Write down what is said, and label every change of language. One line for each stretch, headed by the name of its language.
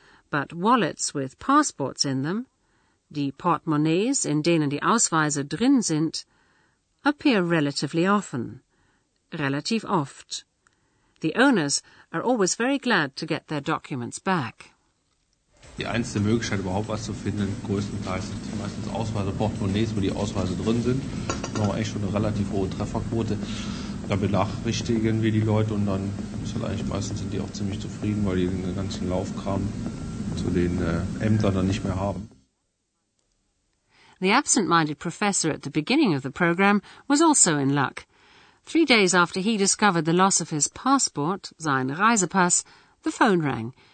English: But wallets with passports in them,
German: die Portemonnaies, in denen die Ausweise drin sind,
English: appear relatively often,
German: relativ oft.
English: The owners are always very glad to get their documents back.
German: Die einzige Möglichkeit, überhaupt was zu finden, größtenteils sind meistens Ausweise, Portemonnaies, wo die Ausweise drin sind. Da haben wir echt schon eine relativ hohe Trefferquote. Da benachrichtigen wir die Leute und dann ist halt eigentlich, meistens sind die auch ziemlich zufrieden, weil die den ganzen Laufkram zu den Ämtern dann nicht mehr haben.
English: The absent-minded professor at the beginning of the program was also in luck. 3 days after he discovered the loss of his passport,
German: sein Reisepass,
English: the phone rang.